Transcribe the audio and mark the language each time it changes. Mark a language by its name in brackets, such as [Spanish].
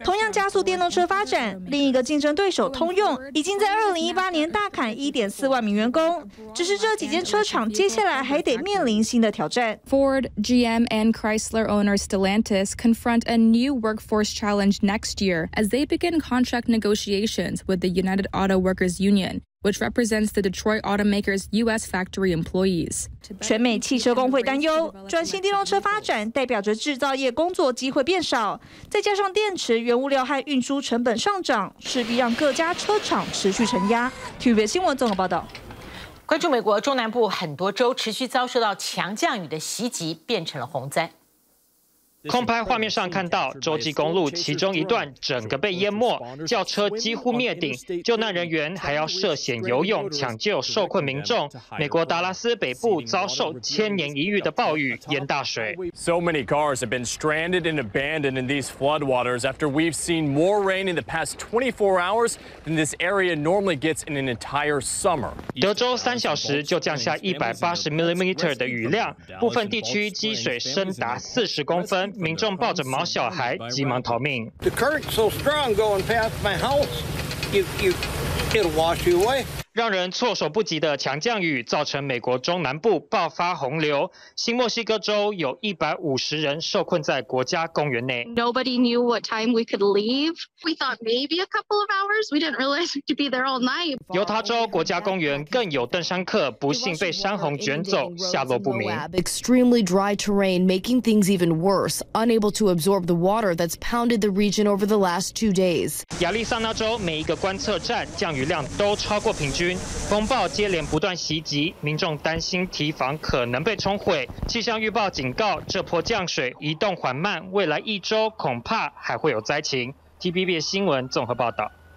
[Chinese] 同样加速电动车发展，另一个竞争对手通用已经在2018年大砍1.4万名员工。只是这几间车厂接下来还得面临新的挑战。 [English] Ford, GM, and Chrysler owner Stellantis confront a new workforce challenge next year as they begin contract negotiations with the United Auto Workers Union. Which represents the Detroit automaker's U.S. factory employees. [Chinese] 全美汽车工会担忧，转型电动车发展代表着制造业工作机会变少，再加上电池原物料和运输成本上涨，势必让各家车厂持续承压。 TVBS 新闻综合报道。关注美国中南部很多州持续遭受到强降雨的袭击，变成了洪灾。空拍画面上看到，洲际公路其中一段整个被淹没，轿车几乎灭顶，救难人员还要涉险游泳抢救受困民众。美国达拉斯北部遭受千年一遇的暴雨淹大水。 [English] So many cars have been stranded and abandoned in these floodwaters after we've seen more rain in the past 24 hours than this area normally gets in an entire summer. [Chinese] 德州三小时就降下180mm 的雨量，部分地区积水深达40公分。民众抱着毛小孩急忙逃命。 [English] The current's so strong going past my house, it'll wash you away。 [Chinese] 让人措手不及的强降雨造成美国中南部爆发洪流。新墨西哥州有150人受困在国家公园内。 [English] Nobody knew what time we could leave. We thought maybe a couple of hours. We didn't realize we'd be there all night. [Chinese] 犹他州国家公园更有登山客不幸被山洪卷走，下落不明。 [English] Extremely dry terrain making things even worse. Unable to absorb the water that's pounded the region over the last 2 days. [Chinese] 亚利桑那州每一个观测站降雨量都超过平均。风暴接连不断袭击，民众担心堤防可能被冲毁。气象预报警告，这波降水移动缓慢，未来一周恐怕还会有灾情。 TVBS 新闻综合报道。